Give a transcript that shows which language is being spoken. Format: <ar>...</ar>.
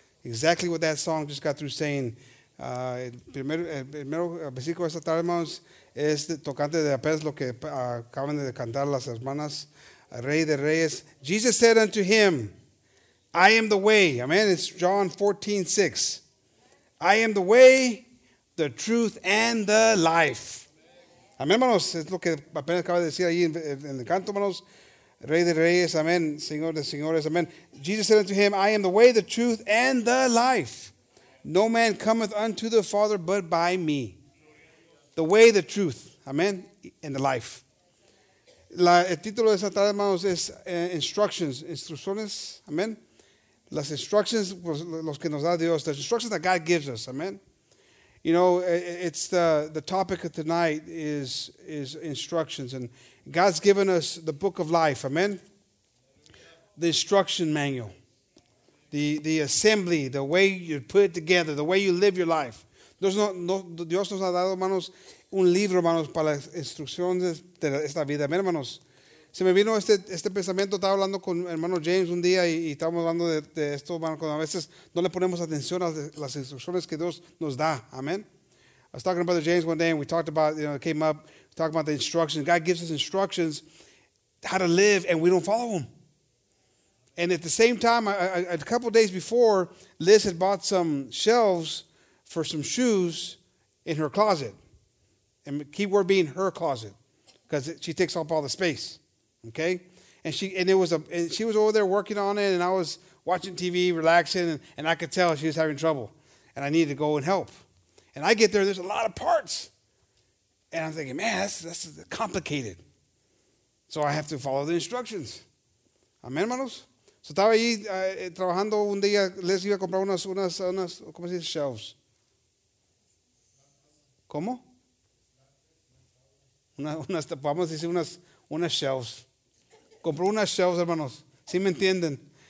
<en>Exactly what that song just got through saying.</en> <es>El primer versículo esta tarde, hermanos, es tocante de apenas lo que acaban de cantar las hermanas. Rey de Reyes.</es> <en>Jesus said unto him, I am the way. Amen. It's John 14:6. I am the way, the truth, and the life.</en> <es>Amen, hermanos. Es lo que apenas acaba de decir ahí en el canto, hermanos. Rey de Reyes, amen. Señor de señores, amen.</es> <en>Jesus said unto him, I am the way, the truth, and the life. No man cometh unto the Father but by me. The way, the truth, amen, and the life.</en> <es>El título de esta tarde, hermanos, es instructions. Instrucciones, amen. Las instructions, los que nos da Dios,</es> <en>the instructions that God gives us,</en> <es>amen.</es> <en>You know, it's the topic of tonight is instructions. And God's given us the book of life, amen. The instruction manual. The assembly, the way you put it together, the way you live your life.</en> <es>Dios nos ha dado, hermanos, un libro, hermanos, para las instrucciones de esta vida. Amen, hermanos. Se me vino este pensamiento, estaba hablando con hermano James un día y estábamos hablando de esto, hermano, cuando a veces no le ponemos atención a las instrucciones que Dios nos da. Amen.</es> <en>I was talking to Brother James one day and we talked about, you know, it came up, talking about the instructions. God gives us instructions how to live and we don't follow them. And at the same time, a couple days before, Liz had bought some shelves for some shoes in her closet. And the key word being her closet because she takes up all the space. Okay, and she was over there working on it, and I was watching TV, relaxing, and I could tell she was having trouble, and I needed to go and help. And I get there, there's a lot of parts, and I'm thinking, man, that's complicated. So I have to follow the instructions.</en> <es>Amen, hermanos. So estaba ahí trabajando un día, les iba a comprar unas, ¿cómo se dice?</es> <en>Shelves.</en> <es>¿Cómo? Unas, vamos a decir unas shelves. Compró unas shelves, hermanos. ¿Sí me entienden?</es>